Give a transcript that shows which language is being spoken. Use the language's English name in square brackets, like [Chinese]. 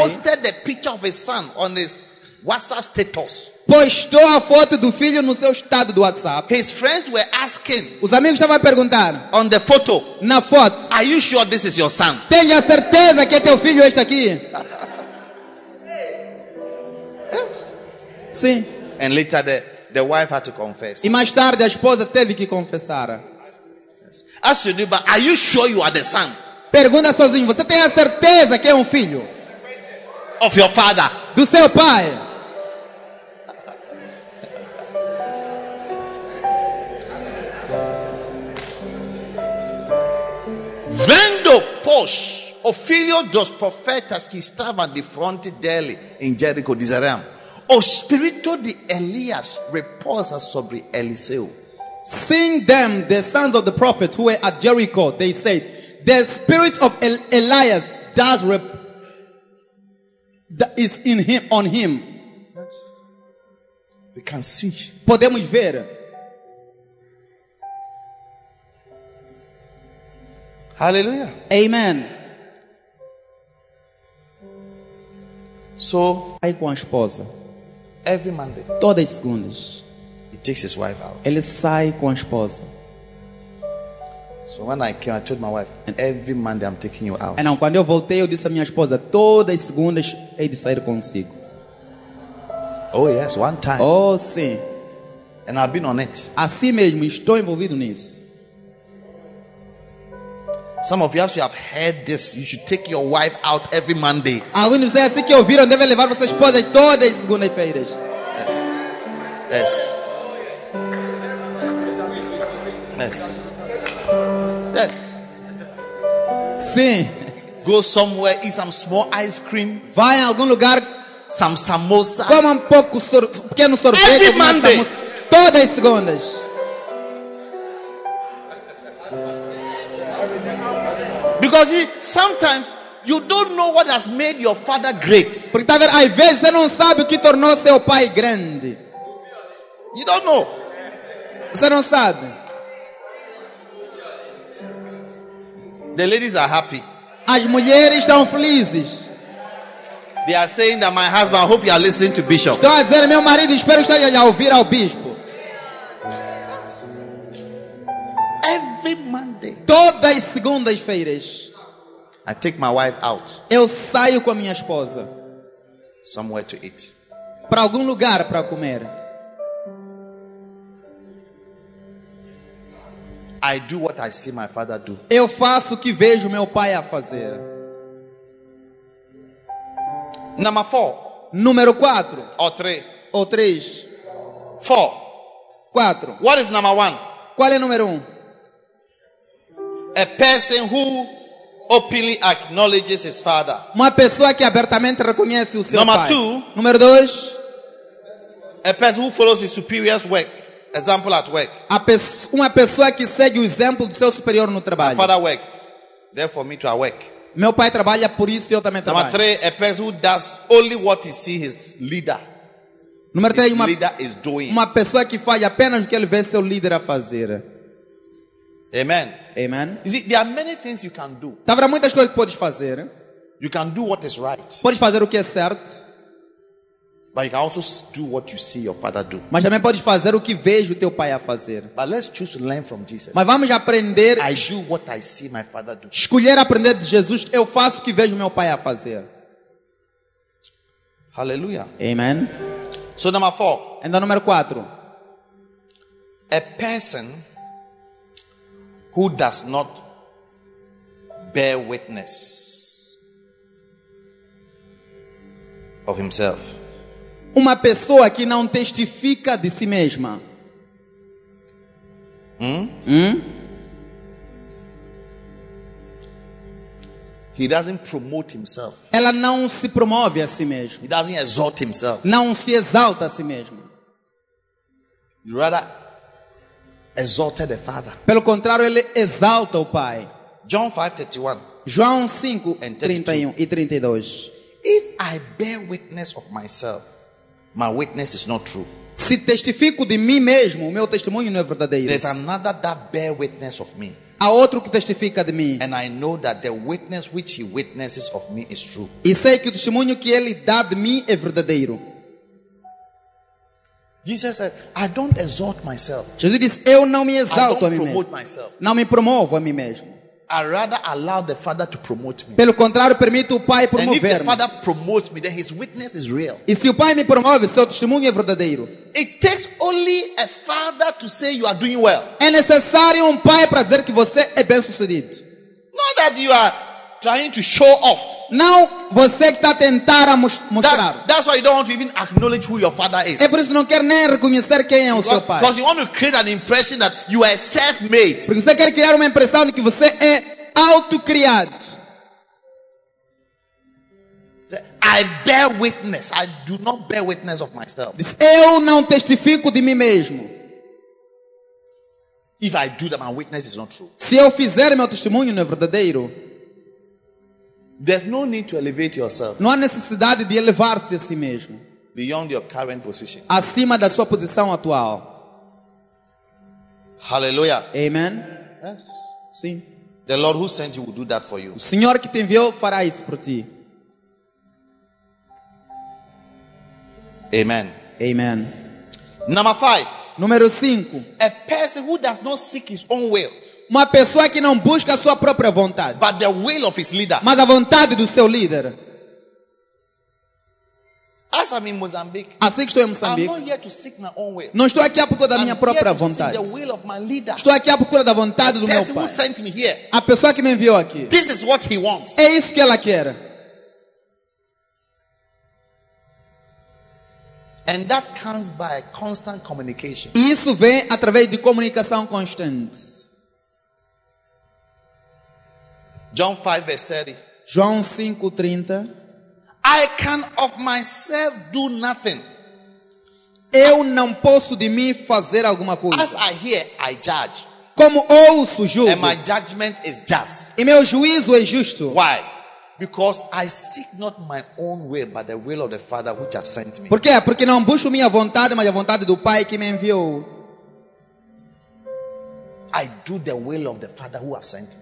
[English] Posted the picture of his son on his WhatsApp status. [Portuguese] Postou a foto do filho no seu estado do WhatsApp. [English] His friends were asking. [Portuguese] Os amigos estavam a perguntar. [English] On the photo. [Portuguese] Na foto. [English] Are you sure this is your son? [Portuguese] Tenha certeza que é teu filho este aqui? [English] Yes. [Portuguese] Sim. [English] And later the wife had to confess. [Portuguese] E mais tarde a esposa teve que confessar. [English] Jesus. Ask your neighbor, are you sure you are the son? [Portuguese] Pergunta sozinho, você tem a certeza que é filho? [English] Of your father. [Portuguese] Do seu pai. Vendo pois o filho dos profetas que estavam de fronte dele em Jericó, dizeram: o espírito de Elias repousa sobre Eliseu. [English] Seeing them, the sons of the prophet who were at Jericho, they said, the spirit of Elias does is in him, on him. Yes. They can see. [Portuguese] Podemos ver. Hallelujah. Amen. [English] So, [Portuguese] aí com a esposa. [English] Every Monday. [Portuguese] Todas as segundas. [English] He takes his wife out. [Portuguese] Ele sai com a esposa. [English] So when I came, I told my wife, and every Monday I'm taking you out. [Portuguese] E não, quando eu voltei, eu disse à minha esposa, todas as segundas hei de sair consigo. [English] Oh yes, one time. [Portuguese] Oh sim. [English] And I've been on it. [Portuguese] Assim mesmo, estou envolvido nisso. [English] Some of you actually have heard this. You should take your wife out every Monday. [Portuguese] Alguns de vocês que ouviram devem levar suas esposas todas as segundas-feiras. [English] Yes. Yes. Yes. Yes. [Portuguese] Sim. [English] Go somewhere, eat some small ice cream. [Portuguese] Vai a algum lugar. [English] Some samosa. [Portuguese] Coma pouco pequeno sorvete. [English] Every Monday. [Portuguese] Todas as segundas. [English] Because he, sometimes you don't know what has made your father great. [Portuguese] Porque talvez às vezes você não sabe o que tornou seu pai grande. [English] You don't know. [Portuguese] Você não sabe. [English] The ladies are happy. [Portuguese] As mulheres estão felizes. [English] They are saying that my husband, I hope you are listening to Bishop. [Portuguese] Estão a dizer, meu marido, espero que esteja a ouvir ao bispo. [English] Every Monday. [Portuguese] Todas as segundas-feiras. [English] I take my wife out. [Portuguese] Eu saio com a minha esposa. [English] Somewhere to eat. [Portuguese] Para algum lugar para comer. [English] I do what I see my father do. [Portuguese] Eu faço o que vejo meu pai a fazer. [English] Number four. [Portuguese] Número 4. Ou 3. Ou 3. 4. 4. [English] What is number 1? [Portuguese] Qual é número 1? [English] A person who openly acknowledges his father. [Portuguese] Uma pessoa que abertamente reconhece o seu [English] number [Portuguese] pai. [English] Two, [Portuguese] número 2. [English] A person who follows his superior's work. Example at work. [Portuguese] Uma pessoa que segue o exemplo do seu superior no trabalho. [English] My father work. Therefore me to work. [Portuguese] Meu pai trabalha, por isso eu também trabalho. [English] Number 3, a person who does only what he sees his leader. [Portuguese] Número 3, [English] his leader is doing. [Portuguese] Uma pessoa que faz apenas o que ele vê seu líder a fazer. Amen. Amen. [English] You see, there are many things you can do. [Portuguese] Tá, haverá muitas coisas que podes fazer. [English] You can do what is right. [Portuguese] Podes fazer o que é certo. [English] But you can also do what you see your father do. [Portuguese] Mas também pode fazer o que vejo teu pai a fazer. [English] But let's choose to learn from Jesus. [Portuguese] Mas vamos aprender. [English] I do what I see my father do. [Portuguese] Escolher aprender de Jesus. Eu faço o que vejo meu pai a fazer. Hallelujah. Amen. [English] So number 4. And the number 4. A person who does not bear witness of himself. [Portuguese] Uma pessoa que não testifica de si mesma. [English] He doesn't promote himself. [Portuguese] Ela não se promove a si mesma. [English] He doesn't exalt himself. [Portuguese] Não se exalta a si mesma. [English] You rather exalted the father. [Portuguese] Pelo contrário, ele exalta o pai. [English] John 5:31. [Portuguese] João 5:31 e 32. [English] If I bear witness of myself, my witness is not true. [Portuguese] Se testifico de mim mesmo, o meu testemunho não é verdadeiro. [English] There's another that bear witness of me. [Portuguese] Há outro que testifica de mim. [English] And I know that the witness which he witnesses of me is true. [Portuguese] E sei que o testemunho que ele dá de mim é verdadeiro. [English] Jesus said, I don't exalt myself. [Portuguese] Jesus disse, eu não me exalto a mim mesmo. [English] Myself. [Portuguese] Não me promovo a mim mesmo. [English] I rather allow the Father to promote me. [Portuguese] Pelo contrário, permito o Pai promover-me. [English] And if the Father promotes me, then his witness is real. [Portuguese] E se o Pai me promove, seu testemunho é verdadeiro. [English] It takes only a father to say you are doing well. [Portuguese] É necessário pai para dizer que você é bem sucedido. [English] Not that you are trying to show off. [Portuguese] Não, você que está a tentar mostrar. [English] That's why you don't want to even acknowledge who your father is. [Portuguese] É por isso que não quer nem reconhecer quem é o seu pai. [English] Because you want to create an impression that you are self-made. [Portuguese] Porque você quer criar uma impressão de que você é autocriado. [English] I bear witness. I do not bear witness of myself. [Portuguese] Eu não testifico de mim mesmo. [English] If I do that, my witness is not true. [Portuguese] Se eu fizer, meu testemunho não é verdadeiro. [English] There's no need to elevate yourself. [Portuguese] Não há necessidade de elevar-se a si mesmo. [English] Beyond your current position. [Portuguese] Acima da sua posição atual. Hallelujah. Amen. [English] Yes. [Portuguese] Sim. [English] The Lord who sent you will do that for you. [Portuguese] O Senhor que te enviou fará isso por ti. Amen. Amen. [English] Number 5. [Portuguese] Número 5. [English] A person who does not seek his own will. [Portuguese] Uma pessoa que não busca a sua própria vontade. [English] But the will of his leader. [Portuguese] Mas a vontade do seu líder. [English] As I'm in Mozambique, [Portuguese] assim que estou em Moçambique. [English] I'm not here to seek my own will. [Portuguese] Não estou aqui à procura da [English] I'm [Portuguese] minha própria vontade. [English] The will of my leader. [Portuguese] Estou aqui à procura da vontade do meu pai. [English] Who sent me here. [Portuguese] A pessoa que me enviou aqui. [English] This is what he wants. [Portuguese] É isso que ela quer. [English] And that comes by constant communication. [Portuguese] Isso vem através de comunicação constante. [English] John 5 verse 30. [Portuguese] João 5, 30. [English] I can of myself do nothing. [Portuguese] Eu não posso de mim fazer alguma coisa. [English] As I hear, I judge. [Portuguese] Como ouço, julgo. [English] And my judgment is just. [Portuguese] E meu juízo é justo. [English] Why? Because I seek not my own will, but the will of the Father which has sent me. [Portuguese] Por quê? Porque não busco minha vontade, mas a vontade do Pai que me enviou. [English] I do the will of the Father who has sent me.